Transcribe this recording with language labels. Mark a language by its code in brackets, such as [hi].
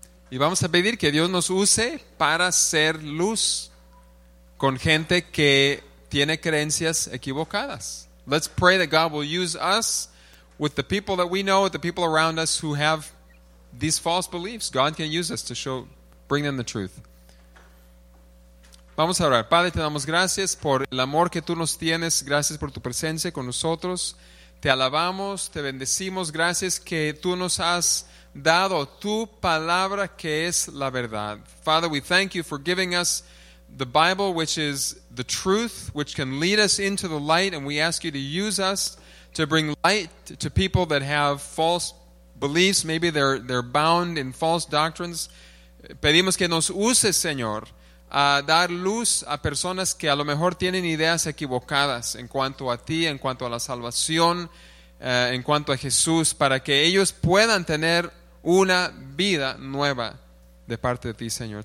[es] Y vamos a pedir que Dios nos use para ser luz con gente que tiene creencias equivocadas. [en] Let's pray that God will use us with the people that we know, with the people around us who have these false beliefs. God can use us to show, bring them the truth. [es] Vamos a orar. Padre, te damos gracias por el amor que tú nos tienes. Gracias por tu presencia con nosotros. Te alabamos, te bendecimos. Gracias que tú nos has dado tu palabra que es la verdad. [en] Father, we thank you for giving us the Bible, which is the truth, which can lead us into the light, and we ask you to use us to bring light to people that have false beliefs. Maybe they're bound in false doctrines. [es] Pedimos que nos uses, Señor, a dar luz a personas que a lo mejor tienen ideas equivocadas en cuanto a ti, en cuanto a la salvación, en cuanto a Jesús, para que ellos puedan tener una vida nueva de parte de ti, Señor.